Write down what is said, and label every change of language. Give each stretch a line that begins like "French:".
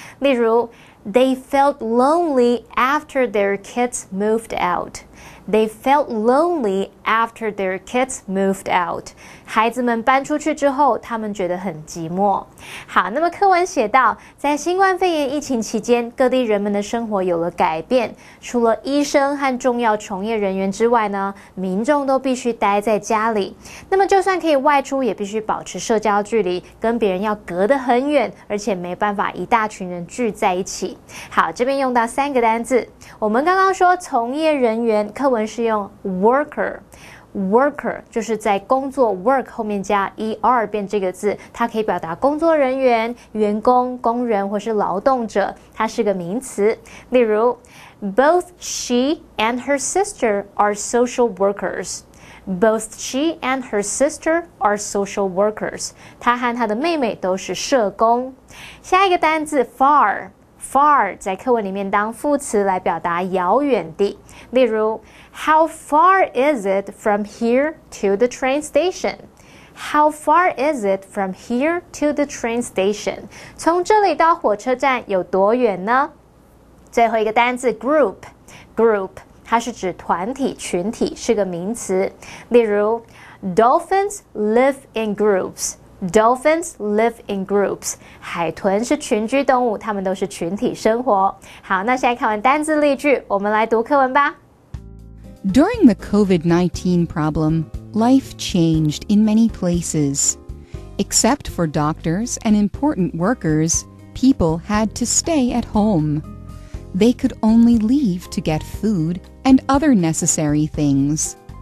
Chinese: 例如
English: ,they felt lonely after their kids moved out. They felt lonely after their kids moved out.
Chinese: 孩子们搬出去之后，他们觉得很寂寞。好，那么课文写到，在新冠肺炎疫情期间，各地人们的生活有了改变。除了医生和重要从业人员之外呢，民众都必须待在家里。那么就算可以外出，也必须保持社交距离，跟别人要隔得很远，而且没办法一大群人聚在一起。好，这边用到三个单字。我们刚刚说从业人员，课文是用 worker。 Worker 就是在工作 work 后面加 er 变这个字，它可以表达工作人员、员工、工人或是劳动者，它是个名词。例如
English: ，Both she and her sister are social workers. Both she and her sister are social workers.
Chinese: 她和她的妹妹都是社工。下一个单字 far。Far 在课文里面当副词来表达遥远地，例如
English: How far is it from here to the train station? How far is it from here to the train station?
Chinese: 从这里到火车站有多远呢？最后一个单字 group 它是指团体、群体，是个名词。例如
English: Dolphins live in groups. Dolphins live in groups.
Chinese: 海豚是群居动物，它们都是群体生活。好，那现在看完单字例句，我们来读课文吧。
English: During the COVID-19 problem, life changed in many places. Except for doctors and important workers, people had to stay at home. They could only leave to get food and other necessary things.